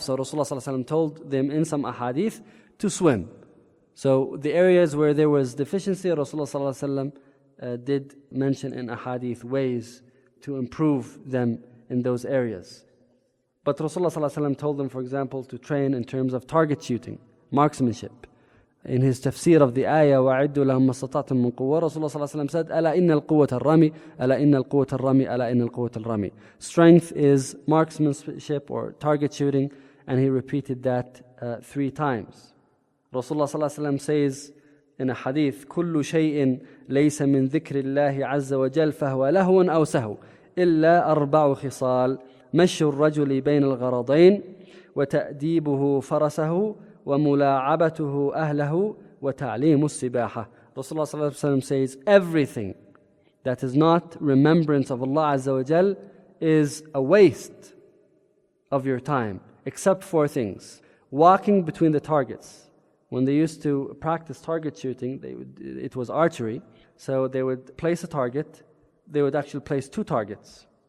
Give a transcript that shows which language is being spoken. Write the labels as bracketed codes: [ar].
[en] So Rasulullah sallallahu alayhi wa sallam told them in some ahadith to swim. So the areas where there was deficiency, Rasulullah sallallahu alayhi wa sallam did mention in ahadith ways to improve them in those areas. But Rasulullah sallallahu alayhi wa sallam told them, for example, to train in terms of target shooting, marksmanship. In his tafsir of the ayah, [ar] وَعِدُّ لَهُمْ مَسْتَطَعْتُمْ مِنْ قُوَّةٍ, [en] Rasulullah sallallahu alayhi wa sallam said, [ar] أَلَا إِنَّ الْقُوَّةَ الرَّمِي, أَلَا إِنَّ الْقُوَّةَ الرَّمِي, أَلَا إِنَّ الْقُوَّةَ الرَّمِي. [en] Strength is marksmanship or target shooting, and he repeated that three times. Rasulullah sallallahu alayhi wa sallam says in a hadith, [ar] كُلُّ شَيْءٍ لَيْسَ مِنْ ذِكْرِ اللَّهِ عَزَّ وَجَلْ فَهُوَ لَهُوًا أَوْ سَهُوَ إِلَّا أَرْبَعُ خِصَالٍ مَشُّ الرَّجُلِ بَيْنَ الْغَرَضَيْنِ وَتَأْدِيبُهُ فَرَسَهُ وَمُلَاعَبَتُهُ أَهْلَهُ وَتَعْلِيمُ السِّبَاحَةِ. [en] Rasulullah sallallahu alayhi wa sallam says, everything that is not remembrance of Allah azza wa jal is a waste of your time, except four things. Walking between the targets. When they used to practice target shooting, it was archery, so they would place a target, they would actually place two targets.